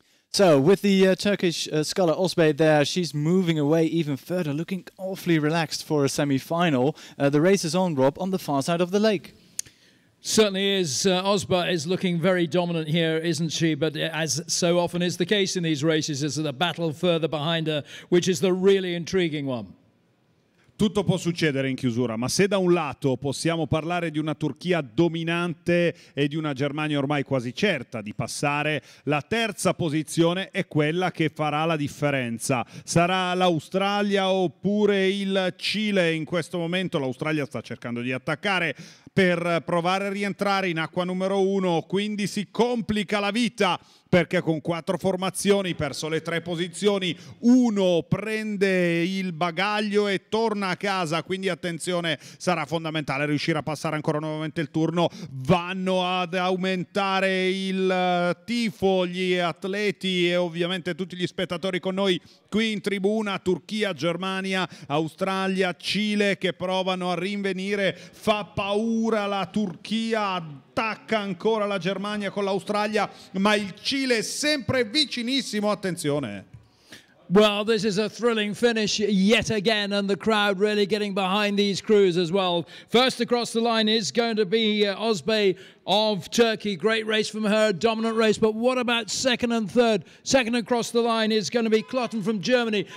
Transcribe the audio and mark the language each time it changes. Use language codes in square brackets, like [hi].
[en] So with the Turkish scholar Osbay there, she's moving away even further, looking awfully relaxed for a semi-final. The race is on, Rob, on the far side of the lake. Certainly is. Osbay is looking very dominant here, isn't she? But as so often is the case in these races, is the battle further behind her, which is the really intriguing one. [it] Tutto può succedere in chiusura, ma se da un lato possiamo parlare di una Turchia dominante e di una Germania ormai quasi certa di passare, la terza posizione è quella che farà la differenza. Sarà l'Australia oppure il Cile? In questo momento l'Australia sta cercando di attaccare per provare a rientrare in acqua numero uno, quindi si complica la vita, perché con quattro formazioni, perso le tre posizioni, uno prende il bagaglio e torna a casa, quindi attenzione, sarà fondamentale riuscire a passare ancora nuovamente il turno. Vanno ad aumentare il tifo, gli atleti e ovviamente tutti gli spettatori con noi qui in tribuna, Turchia, Germania, Australia, Cile, che provano a rinvenire. Fa paura la Turchia, attacca ancora la Germania con l'Australia, ma il Cile è sempre vicinissimo, attenzione. [en] Well, this is a thrilling finish yet again, and the crowd really getting behind these crews as well. First across the line is going to be Osbay of Turkey. Great race from her, dominant race. But what about second and third? Second across the line is going to be Klotten from Germany.